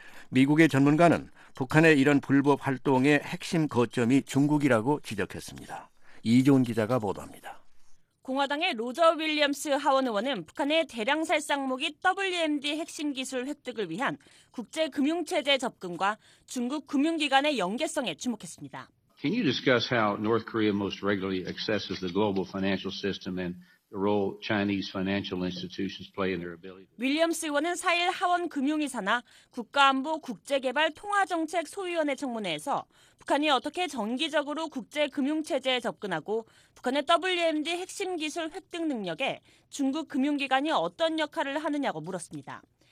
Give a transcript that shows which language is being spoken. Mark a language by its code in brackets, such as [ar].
[ko] 미국의 전문가는 북한의 이런 불법 활동의 핵심 거점이 중국이라고 지적했습니다. 이종훈 기자가 보도합니다. 공화당의 로저 윌리엄스 하원 의원은 북한의 대량 살상무기 WMD 핵심 기술 획득을 위한 국제금융체제 접근과 중국 금융기관의 연계성에 주목했습니다. [en] Can you discuss how North Korea most regularly accesses the global financial system and the role Chinese financial institutions play in their ability? [ko] 윌리엄스 의원은 4일 하원 금융위 산하 국가안보 국제개발 통화정책 소위원회 청문회에서 북한이 어떻게 정기적으로 국제 금융 체제에 접근하고 북한의 WMD 핵심 기술 획득 능력에 중국 금융기관이 어떤 역할을 하느냐고 물었습니다.